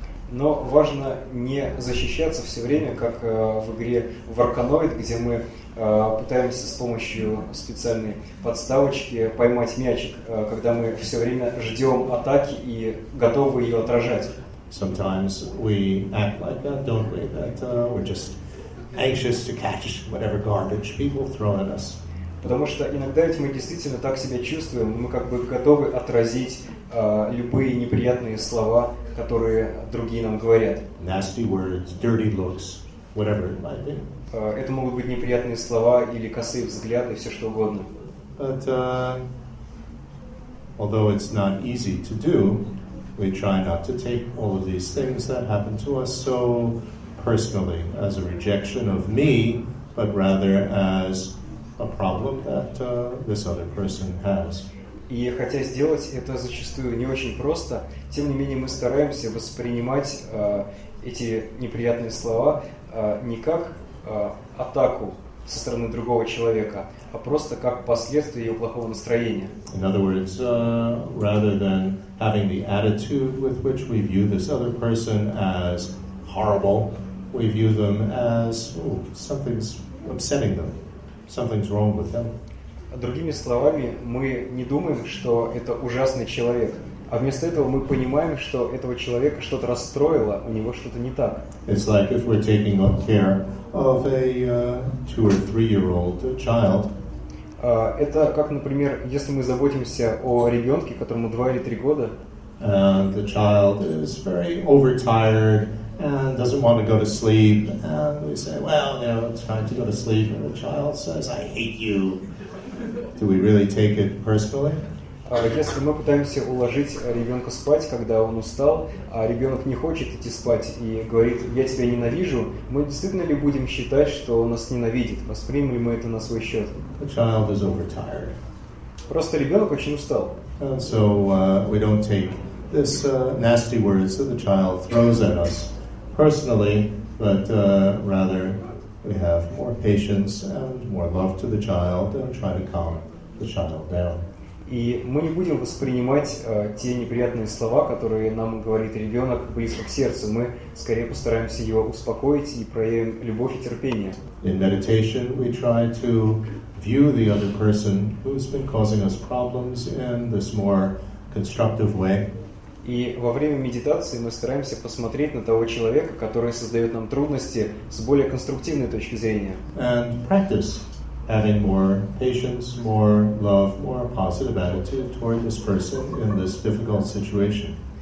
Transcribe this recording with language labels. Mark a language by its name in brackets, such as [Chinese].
[Russian] Но важно не защищаться все время, как в игре Варканоид, где мы пытаемся с помощью специальной подставочки поймать мячик, когда мы все время ждем атаки и готовы ее отражать. [English] Sometimes we act like that, don't we? That we're just anxious to catch whatever garbage people throw at us. [Russian] Потому что иногда ведь мы действительно так себя чувствуем, мы как бы готовы отразить любые неприятные слова, которые другие нам говорят. [English] Nasty words, dirty looks, whatever it might be. [Russian] Это могут быть неприятные слова или косые взгляды, все что угодно. [English] But although it's not easy to do, we try not to take all of these things that happen to us so personally as a rejection of me, but rather as a problem that this other person has. [Russian] И хотя сделать это зачастую не очень просто, тем не менее мы стараемся воспринимать эти неприятные слова не как атаку со стороны другого человека, а просто как последствия его плохого настроения. [English] In other words, rather than having the attitude with which we view this other person as horrible, we view them as, oh, something's upsetting them, something's wrong with them. [Russian] Другими словами, мы не думаем, что это ужасный человек, а вместо этого мы понимаем, что этого человека что-то расстроило, у него что-то не так. [English] It's like if we're taking up care of a two or three-year-old child. [Russian] Это как, например, если мы заботимся о ребенке, которому 2 или 3 года. [English] And the child is very overtired and doesn't want to go to sleep. And we say, well, you know, it's time to go to sleep. And the child says, I hate you. Do we really take it personally? [Russian] Если мы пытаемся уложить ребенка спать, когда он устал, а ребенок не хочет идти спать и говорит, я тебя ненавижу, мы действительно ли будем считать, что он нас ненавидит? Воспримем ли мы это на свой счет? [English] The child is overtired. [Russian] Просто ребенок очень устал. [English] And so we don't take this nasty words that the child throws at us personally, but rather we have more patience and more love to the child and try to calm the child down. [Russian] И мы не будем воспринимать те неприятные слова, которые нам говорит ребенок близко к сердцу. Мы скорее постараемся его успокоить и проявим любовь и терпение. [English] In meditation, we try to view the other person who's been causing us problems in this more constructive way. [Russian] И во время медитации мы стараемся посмотреть на того человека, который создает нам трудности, с более конструктивной точки зрения. [English] And practice. Having more patience, more love, more positive attitude toward this person in this difficult situation.